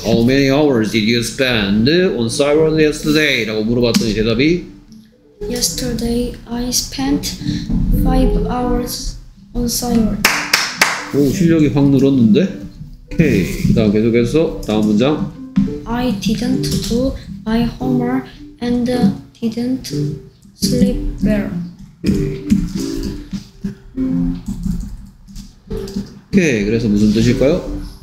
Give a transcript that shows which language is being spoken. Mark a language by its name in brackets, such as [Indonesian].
[English] How many hours did you spend on Sai World yesterday? [Korean] 라고 물어봤더니 대답이 [English] Yesterday I spent 5 hours on Sai World. [Korean] 오, 실력이 확 늘었는데? 오케이, 그 다음 계속해서 다음 문장 [English] I didn't do my homework and didn't sleep well. [Korean] 오케이, 그래서 무슨 뜻일까요?